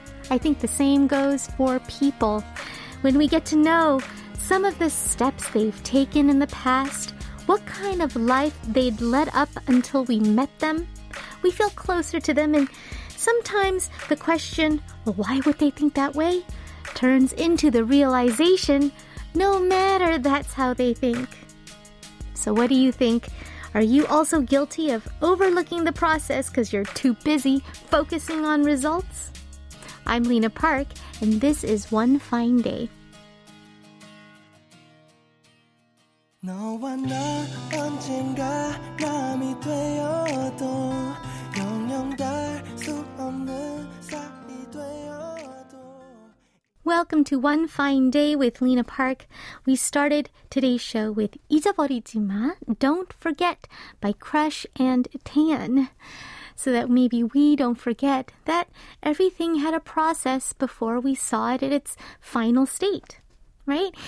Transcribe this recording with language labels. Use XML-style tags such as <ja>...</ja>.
<en>I think the same goes for people. When we get to know some of the steps they've taken in the past, what kind of life they'd led up until we met them, we feel closer to them, and sometimes the question, well, why would they think that way, turns into the realization, no matter that's how they think. So what do you think? Are you also guilty of overlooking the process because you're too busy focusing on results? I'm Lena Park, and this is One Fine Day.</en> <ko>너와 나 언젠가 남이 되어도 영영 닿을 수 없는 사이 되어도.</ko> <en>Welcome to One Fine Day with Lena Park. We started today's show with 잊어버리지 마, Don't Forget by Crush and Tan. So that maybe we don't forget that everything had a process before we saw it in its final state, right?</en>